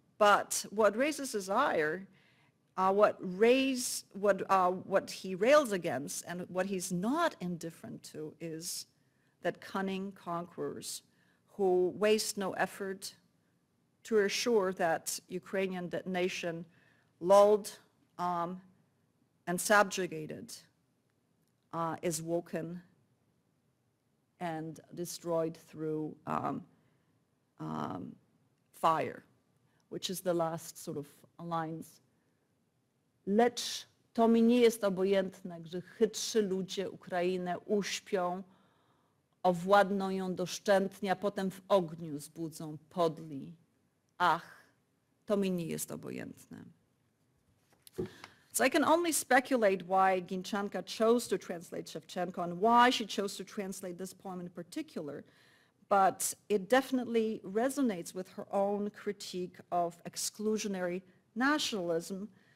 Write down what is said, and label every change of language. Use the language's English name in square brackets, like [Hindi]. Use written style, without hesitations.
[English] But what raises his ire, what he rails against, and what he's not indifferent to, is that cunning conquerors who waste no effort to assure that Ukrainian nation lulled and subjugated is woken and destroyed through fire, which is the last sort of lines. [Polish] Lecz to mi nie jest obojętne, że chytrzy ludzie Ukrainę uśpią, owładną ją doszczętnie, a potem w ogniu zbudzą podli. Ach, to mi nie jest obojętne. [English] So I can only speculate why Ginchanka chose to translate Shevchenko and why she chose to translate this poem in particular, but it definitely resonates with her own critique of exclusionary nationalism.